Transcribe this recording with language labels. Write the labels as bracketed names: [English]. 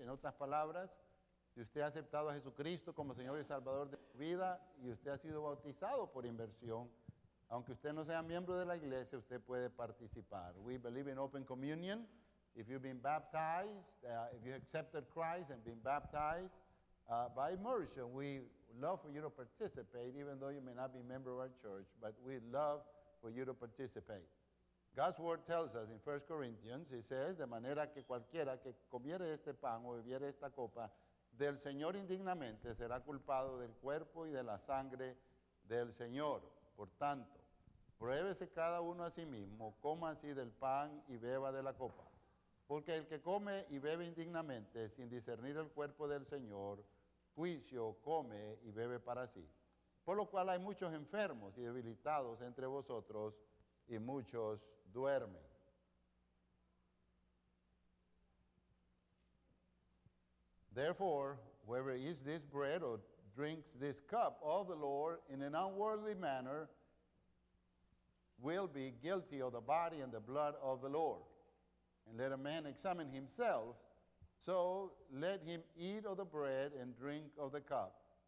[Spanish] En otras palabras, si usted ha aceptado a Jesucristo como Señor y Salvador de su vida y usted ha sido bautizado por inmersión, aunque usted no sea miembro de la iglesia, usted puede participar. [English] We believe in open communion. If you've been baptized, if you accepted Christ and been baptized by immersion, we love for you to participate, even though you may not be a member of our church, but we love for you to participate. God's word tells us in 1 Corinthians, it says, [Spanish] de manera que cualquiera que comiere este pan o bebiere esta copa del Señor indignamente será culpado del cuerpo y de la sangre del Señor. Por tanto, pruébese cada uno a sí mismo, coma así del pan y beba de la copa. Porque el que come y bebe indignamente, sin discernir el cuerpo del Señor, juicio come y bebe para sí. Por lo cual hay muchos enfermos y debilitados entre vosotros, y muchos duermen. [English] Therefore, whoever eats this bread or drinks this cup of the Lord in an unworthy manner will be guilty of the body and the blood of the Lord. And let a man examine himself, so let him eat of the bread and drink of the cup.